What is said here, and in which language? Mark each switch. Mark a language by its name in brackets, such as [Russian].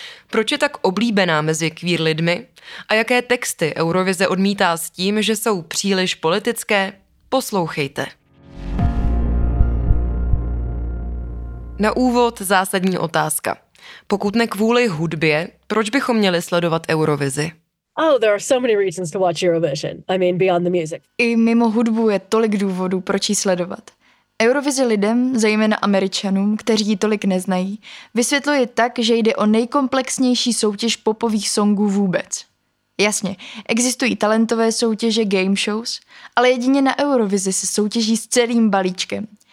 [Czech] Proč je tak oblíbená mezi queer lidmi? A jaké texty Eurovize odmítá s tím, že jsou příliš politické? Poslouchejte. Na úvod zásadní otázka. Pokud ne kvůli hudbě, proč bychom měli sledovat Eurovizi? [English] Oh, there are so many reasons to watch Eurovision. I mean, beyond the music. [Czech] I mimo hudbu je tolik důvodů, proč ji sledovat. Eurovizi lidem, zejména Američanům, kteří ji tolik neznají, vysvětluje tak, že jde o nejkomplexnější soutěž popových songů vůbec. Jasně, existují talentové soutěže, game shows, ale jedině na Eurovizi se soutěží s celým balíčkem.